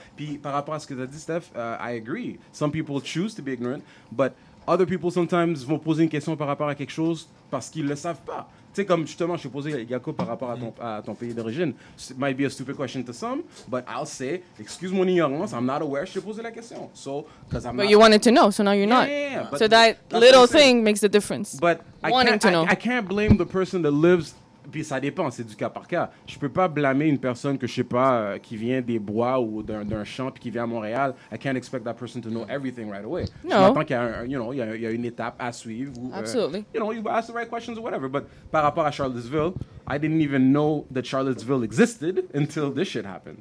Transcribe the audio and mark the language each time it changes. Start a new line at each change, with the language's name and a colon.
French: Puis, par rapport à ce que t'as dit, Steph,
English: I agree. Some people choose to be ignorant, but other people sometimes
French: vont poser une question par rapport à quelque chose parce qu'ils le savent pas. Tu sais, comme justement, je suis posé Yako par rapport à ton pays d'origine.
English: It might be a stupid question to some, but I'll say,
French: excuse mon ignorance,
English: I'm not aware,
French: je suis posé la question.
English: So you wanted to know, so now you're not. So that little thing makes a difference. But I can't blame the person that lives,
French: puis ça dépend, c'est du cas par cas. Je peux pas blâmer une personne que je sais pas, qui vient des bois ou d'un champ, puis qui vient à Montréal.
English: I can't expect that person to know everything right away. No.
French: Je m'attends qu'il y a, il y a une étape à suivre.
English: Absolutely. You ask the right questions or whatever. But
French: par rapport à
English: Charlottesville, I didn't even know that Charlottesville existed until this shit happened.